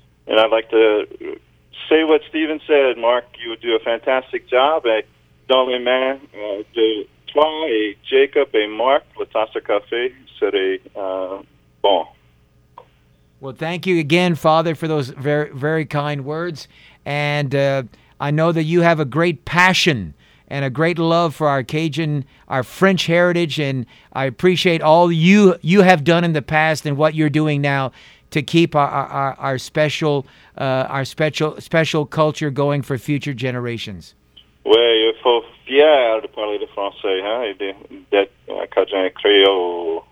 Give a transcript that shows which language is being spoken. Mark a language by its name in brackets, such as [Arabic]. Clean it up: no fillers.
[English] And I'd like to say what Stephen said, Mark. You would do a fantastic job. [French] Et dans les mains de toi et Jacob et Mark, La Tasse de Café serait bon. [English] Well, thank you again, Father, for those very, very kind words. And I know that you have a great passion and a great love for our Cajun, our French heritage, and I appreciate all you have done in the past and what you're doing now to keep our special culture going for future generations. [French] Oui, il faut fier de parler de français, hein, et d'être Cajun et Creole.